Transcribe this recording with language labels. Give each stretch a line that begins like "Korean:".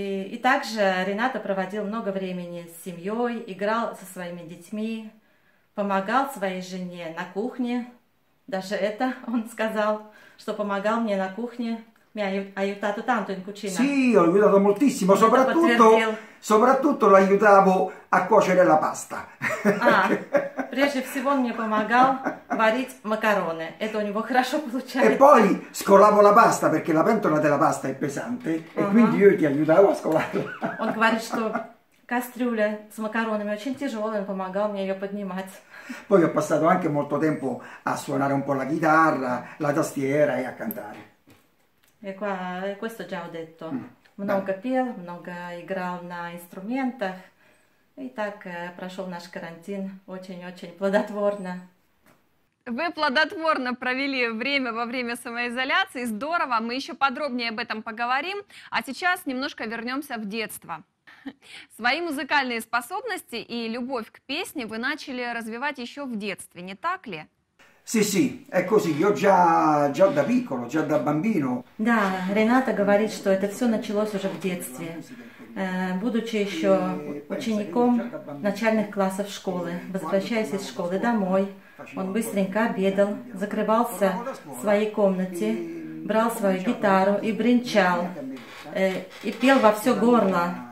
Russian: И также Ренато проводил много времени с семьей, играл со своими детьми, помогал своей жене на кухне. Даже это он сказал, что помогал мне на кухне.
Italian: Mi ha aiutato tanto in cucina. Sì, ho aiutato moltissimo, soprattutto lo aiutavo a cuocere la pasta.
Russian: Прежде всего мне помогал варить макароны. Это у него хорошо получается.
Italian: E poi scolavo la pasta, perché la pentola della pasta è pesante. E quindi io ti aiutavo a scolarla.
Russian: Он говорит, что кастрюля с макаронами очень тяжелая, он помогал мне ее поднимать.
Italian: Poi ho passato anche molto tempo a suonare un po' la chitarra, la tastiera e a cantare. E qua, questo già ho detto.
Russian: Много пел, много играл на инструментах. И так прошел наш карантин очень-очень плодотворно. Вы плодотворно провели время во время самоизоляции. Здорово, мы еще подробнее об этом поговорим. А сейчас немножко вернемся в детство. Свои музыкальные способности и любовь к песне вы начали развивать еще в детстве, не так ли?
Italian: Sì, sì, è così. Io già da piccolo, già da bambino.
Russian: Да, Рената говорит, что это все началось уже в детстве, будучи еще учеником начальных классов школы. Возвращаясь из школы домой, он быстренько обедал, закрывался в своей комнате, брал свою гитару и бренчал, и пел во все горло.